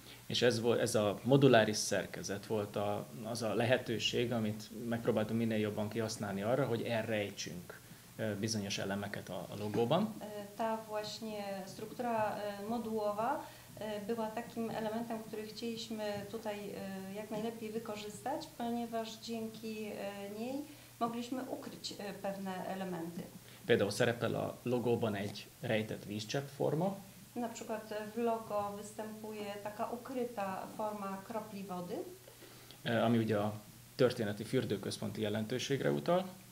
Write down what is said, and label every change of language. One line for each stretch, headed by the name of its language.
Hungarian: És ez a moduláris szerkezet volt az a lehetőség, amit megpróbáltunk minél jobban kihasználni arra, hogy elrejtsünk bizonyos elemeket a logóban.
Polish: Ta właśnie struktura modułowa była takim elementem, który chcieliśmy tutaj jak najlepiej wykorzystać, ponieważ dzięki niej mogliśmy ukryć pewne elementy.
Hungarian: Például szerepel a logóban egy rejtett vízcsepp forma.
Polish: Na przykład w logo występuje taka ukryta forma kropli wody.
Hungarian: Ami ugye a történeti fürdőközponti jelentőségre utal.